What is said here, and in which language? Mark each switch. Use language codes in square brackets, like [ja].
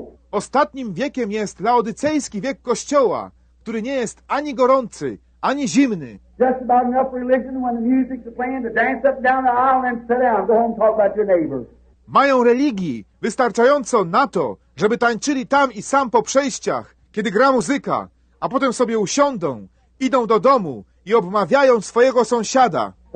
[pl] Ostatnim wiekiem jest laodycejski wiek Kościoła, który nie jest ani gorący, ani zimny. [en] Just about enough religion when the music's playing to dance up and down the aisle and sit down, go home and talk about your neighbors. [pl] Mają religii wystarczająco na to, żeby tańczyli tam i sam po przejściach, kiedy gra muzyka, a potem sobie usiądą, idą do domu i obmawiają swojego sąsiada.